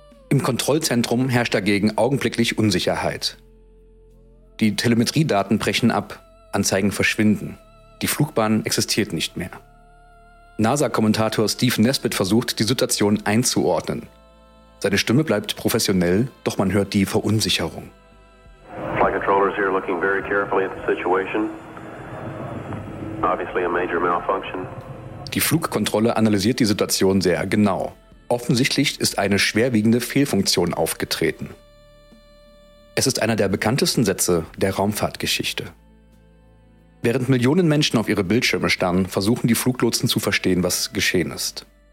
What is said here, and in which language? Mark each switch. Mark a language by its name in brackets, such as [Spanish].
[German] Im Kontrollzentrum herrscht dagegen augenblicklich Unsicherheit. Die Telemetriedaten brechen ab. Anzeigen verschwinden. Die Flugbahn existiert nicht mehr. NASA-Kommentator Steve Nesbitt versucht, die Situation einzuordnen. Seine Stimme bleibt professionell, doch man hört die Verunsicherung. [English] Flight controllers here looking very carefully at the situation. Obviously a major malfunction. [German] Die Flugkontrolle analysiert die Situation sehr genau. Offensichtlich ist eine schwerwiegende Fehlfunktion aufgetreten. Es ist einer der bekanntesten Sätze der Raumfahrtgeschichte. Während Millionen Menschen auf ihre Bildschirme starren, versuchen die Fluglotsen zu verstehen, was geschehen ist.